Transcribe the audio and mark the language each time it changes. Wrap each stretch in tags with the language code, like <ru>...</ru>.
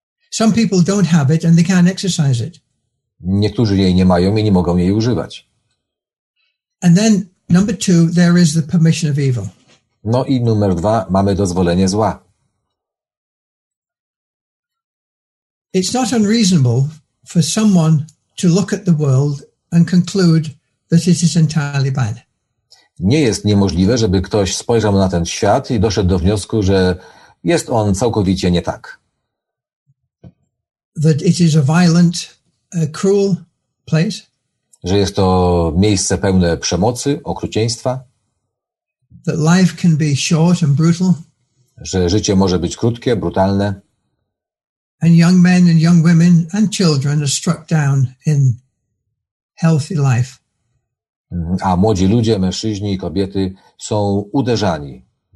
<en>Some people don't have it and they can't exercise it.</en> <pl>Niektórzy jej nie mają i nie mogą jej używać.</pl> <en>And then number two, there is the permission of evil.</en> <pl>No i numer dwa, mamy dozwolenie zła.</pl> <en>It's not unreasonable for someone to look at the world and conclude that it is entirely bad.</en> <pl>Nie jest niemożliwe, żeby ktoś spojrzał na ten świat i doszedł do wniosku, że jest on całkowicie nie tak.</pl> <en>That it is a violent, a cruel place.</en> <pl>Że jest to miejsce pełne przemocy, okrucieństwa.</pl> <en>That life can be short and brutal.</en> <pl>Że życie może być krótkie, brutalne.</pl> <en>And young men and young women and children are struck down in healthy life.</en> <pl>A młodzi ludzie, mężczyźni i kobiety są uderzani</pl>